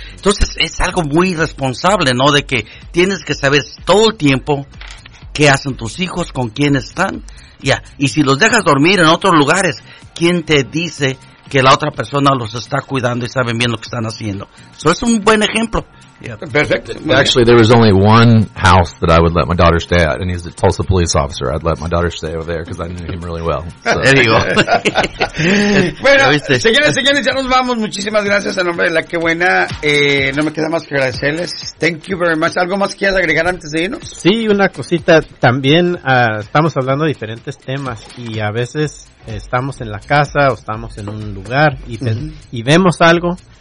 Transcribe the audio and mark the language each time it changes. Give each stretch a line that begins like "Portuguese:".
Spanish: Entonces es algo muy responsable, ¿no? De que tienes que saber todo el tiempo qué hacen tus hijos, con quién están. Ya, y si los dejas dormir en otros lugares, ¿quién te dice que la otra persona los está cuidando y saben bien lo que están haciendo? Eso es un buen ejemplo.
English: Yeah. Perfect. Actually, there was only one house that I would let my daughter stay at, and he's a Tulsa police officer. I'd let my daughter stay over there because I knew him really well. So. There you go.
Spanish: Bueno, señores, ya nos vamos. Muchísimas gracias en nombre de La Que Buena. No me queda más que agradecerles.
English: Thank you very much.
Spanish: ¿Algo más quieres agregar antes de irnos? Sí, una cosita. También estamos hablando de diferentes temas y a veces estamos en la casa o estamos en un lugar y vemos algo.